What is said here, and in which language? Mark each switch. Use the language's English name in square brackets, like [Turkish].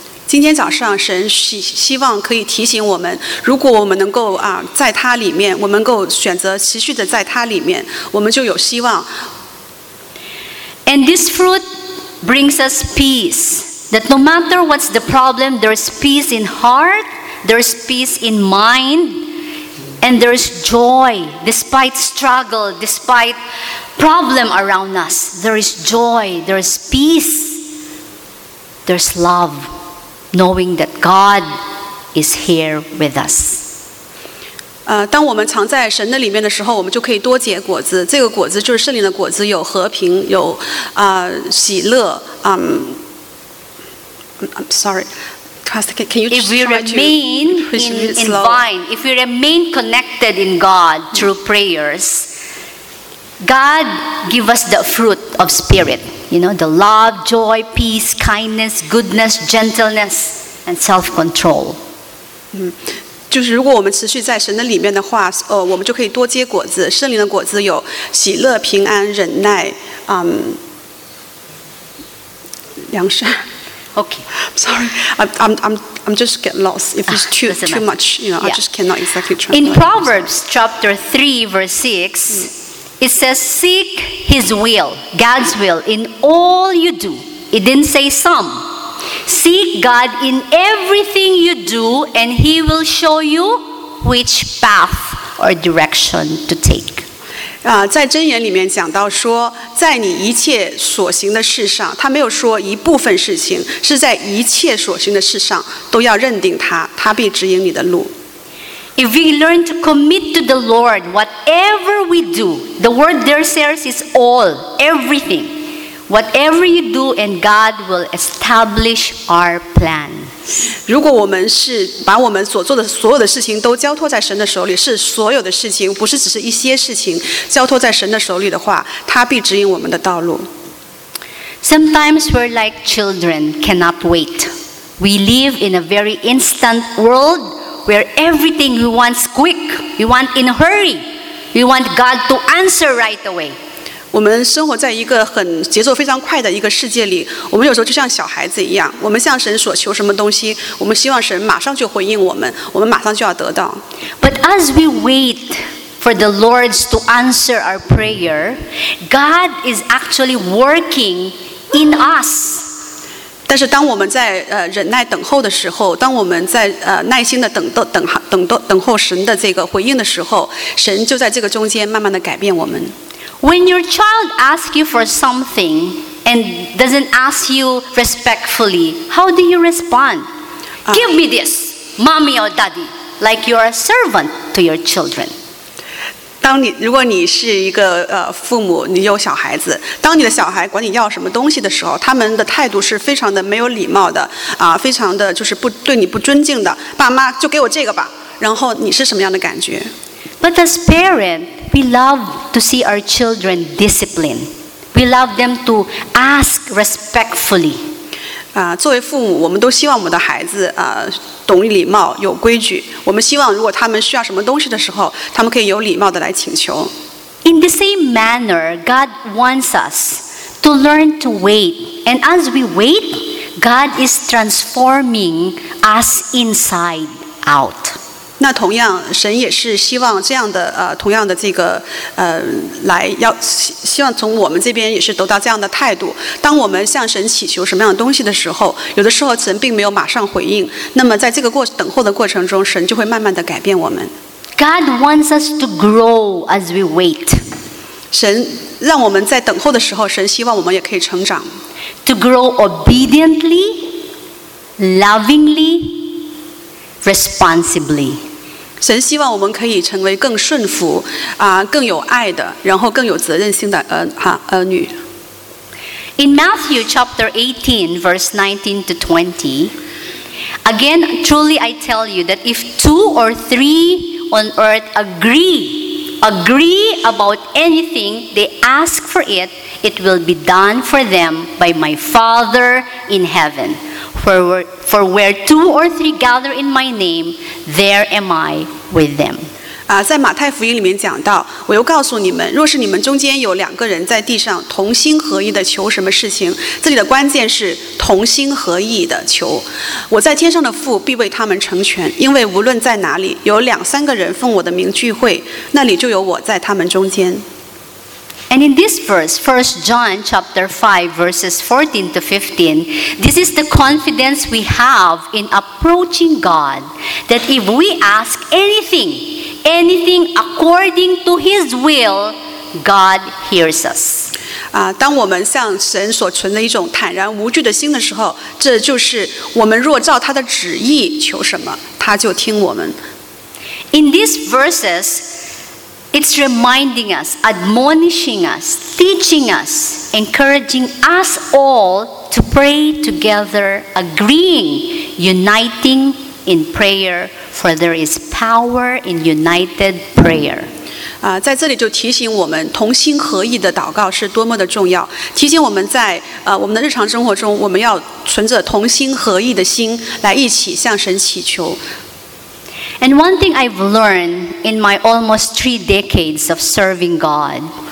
[Chinese] 今天早上神希望可以提醒我们，如果我们能够在他里面，我们能够选择持续的在他里面，我们就有希望。 [English] And this fruit brings us peace. That no matter what's the problem, there's peace in heart, there's peace in mind, and there's joy despite struggle, despite problem around us. There is joy, there's peace, there's love, knowing that God is here with us. [Chinese] 当我们藏在神的里面的时候，我们就可以多结果子。这个果子就是圣灵的果子，有和平，有喜乐。 [English] I'm sorry, Pastor, can you? If we remain in vine, if we remain connected in God through prayers, God give us the fruit of spirit. You know, the love, joy, peace, kindness, goodness, gentleness, and self-control. [Chinese] 就是如果我们持续在神的里面的话，我们就可以多结果子。圣灵的果子有喜乐、平安、忍耐，良善。 [English] Okay, sorry, I'm just get lost. If it's too much, you know, I just cannot exactly translate. In Proverbs chapter 3, verse 6, it says, "Seek His will, God's will, in all you do." It didn't say some. Seek God in everything you do, and He will show you which path or direction to take. [Chinese] 在箴言里面讲到说，在你一切所行的事上，他没有说一部分事情，是在一切所行的事上都要认定他，他必指引你的路。 [English] If we learn to commit to the Lord, whatever we do, the word there says is all, everything. Whatever you do, and God will establish our plan. [Chinese] 如果我们是把我们所做的所有的事情都交托在神的手里，是所有的事情，不是只是一些事情，交托在神的手里的话，他必指引我们的道路。 [English] Sometimes we're like children, cannot wait. We live in a very instant world where everything we want is quick. We want in a hurry. We want God to answer right away. [Chinese] 我们生活在一个很节奏非常快的一个世界里，我们有时候就像小孩子一样，我们向神所求什么东西，我们希望神马上就回应我们，我们马上就要得到。 [English] But as we wait for the Lord to answer our prayer, God is actually working in us. [Chinese] 但是当我们在忍耐等候的时候，当我们在耐心的等候神的这个回应的时候，神就在这个中间慢慢的改变我们。 [English] When your child asks you for something and doesn't ask you respectfully, how do you respond? Give me this, mommy or daddy, like you're a servant to your children. [Chinese] 当你如果你是一个父母，你有小孩子，当你的小孩管你要什么东西的时候，他们的态度是非常的没有礼貌的，非常的就是不对你不尊敬的。爸妈就给我这个吧，然后你是什么样的感觉？ [English] But as parents, we love to see our children disciplined. We love them to ask respectfully. [Chinese] 作为父母，我们都希望我们的孩子懂礼貌、有规矩。我们希望如果他们需要什么东西的时候，他们可以有礼貌的来请求。 [English] In the same manner, God wants us to learn to wait. And as we wait, God is transforming us inside out. [Chinese] 那同样，神也是希望这样的同样的这个来要希望从我们这边也是得到这样的态度。当我们向神祈求什么样的东西的时候，有的时候神并没有马上回应。那么在这个等候的过程中，神就会慢慢的改变我们。 [English] God wants us to grow as we wait. [Chinese] 神让我们在等候的时候，神希望我们也可以成长。 [English] To grow obediently, lovingly. Responsibly. [Chinese] 神希望我们可以成为更顺服，更有爱的，然后更有责任心的儿女。 [English] In Matthew chapter 18, verse 19 to 20, again, truly I tell you that if two or three on earth agree about anything they ask for it, it will be done for them by my Father in heaven. For where two or three gather in my name, there am I with them. [Chinese] 在马太福音里面讲到，我又告诉你们，若是你们中间有两个人在地上同心合意的求什么事情，这里的关键是同心合意的求。我在天上的父必为他们成全，因为无论在哪里有两三个人奉我的名聚会，那里就有我在他们中间。 [English] And in this verse, 1 John chapter 5, verses 14 to 15, this is the confidence we have in approaching God, that if we ask anything according to His will, God hears us. [Chinese] 当我们向神所存的一种坦然无惧的心的时候，这就是我们若照他的旨意求什么，他就听我们。 [English] In these verses,It's reminding us, admonishing us, teaching us, encouraging us all to pray together, agreeing, uniting in prayer, for there is power in united prayer. [Chinese] 在这里就提醒我们，同心合意的祷告是多么的重要，提醒我们在我们的日常生活中，我们要存着同心合意的心来一起向神祈求。 [English] And one thing I've learned in my almost 3 decades of serving God.